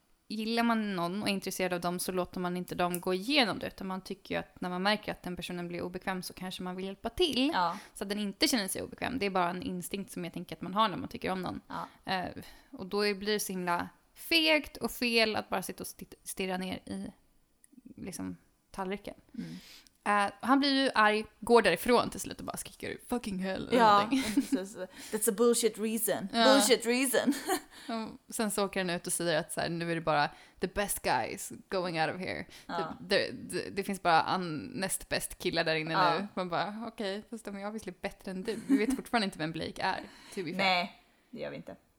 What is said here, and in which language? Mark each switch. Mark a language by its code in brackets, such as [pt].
[sv] Gillar man någon och är intresserad av dem så låter man inte dem gå igenom det, utan man tycker ju att när man märker att den personen blir obekväm så kanske man vill hjälpa till så att den inte känner sig obekväm. Det är bara en instinkt som jag tänker att man har när man tycker om någon. Och då blir det så himla fegt och fel att bara sitta och stirra ner i liksom tallriken. Han blir ju arg, går därifrån till slut och bara skickar ut [en] fucking hell. Ja, that's a bullshit reason. Bullshit reason. [sv] Sen så åker han ut och säger att så här, nu är det bara [en] the best guys going out of here. [sv] Det finns bara näst bäst killar där inne nu. Man bara, okej, okay, fast de är obviously bättre än du. Vi vet fortfarande inte vem Blake är, [en] to be fair. [sv] Nej, det gör vi inte.